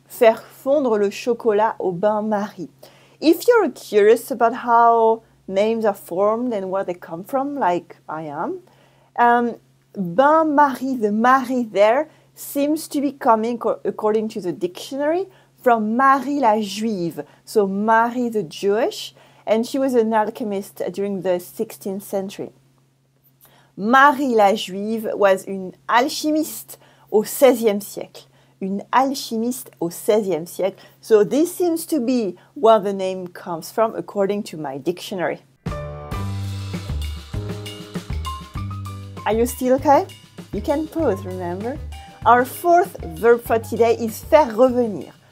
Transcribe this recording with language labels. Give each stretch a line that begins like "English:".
French: Faire fondre le chocolat au bain-marie.
English: If you're curious about how names are formed and where they come from, like I am, bain-marie, the marie there, seems to be coming, according to the dictionary, from Marie la Juive, so Marie the Jewish, and she was an alchemist during the 16th century.
French: Marie la Juive
English: was
French: une alchimiste au 16e siècle. Une alchimiste au 16e siècle.
English: So this seems to be where the name comes from, according to my dictionary. Are you still okay? You can pause, remember? Our fourth verb for today is faire revenir.